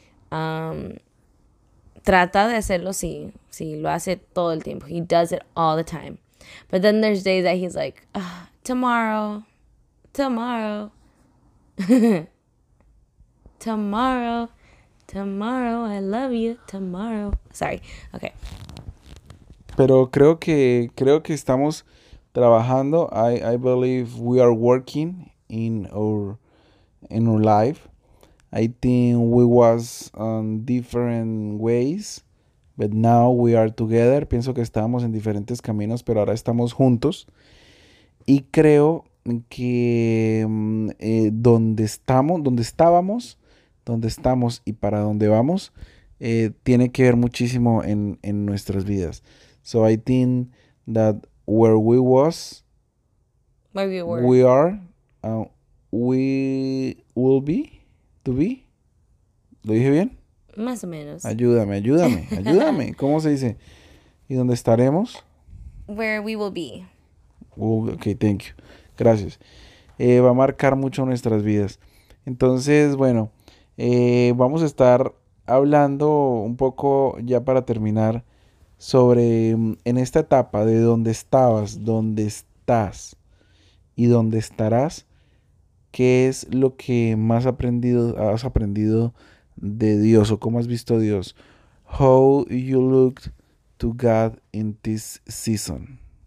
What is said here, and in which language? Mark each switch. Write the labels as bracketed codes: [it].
[es] Trata de hacerlo, sí, lo hace todo el tiempo. [en] He does it all the time. But then there's days that he's like, oh, tomorrow, tomorrow, tomorrow, tomorrow, I love you, tomorrow. Sorry, okay. [es] Pero creo que estamos trabajando. [en] I believe we are working in our life. I think we was on different ways, but now we are together. [es] Pienso que estábamos en diferentes caminos, pero ahora estamos juntos. Y creo que donde estamos y para dónde vamos, tiene que ver muchísimo en nuestras vidas. [en] So I think that where we was, Maybe we were. are, we will be, to be. [es] ¿Lo dije bien? Más o menos. Ayúdame, ayúdame, ayúdame. ¿Cómo se dice? ¿Y dónde estaremos? [en] Where we will be. Ok, thank you. [es] Gracias. Va a marcar mucho nuestras vidas. Entonces, bueno, vamos a estar hablando un poco ya para terminar. Sobre en esta etapa de dónde estabas, dónde estás y dónde estarás, ¿qué es lo que más has aprendido de Dios o cómo has visto a Dios? [en] How you looked to God in this season.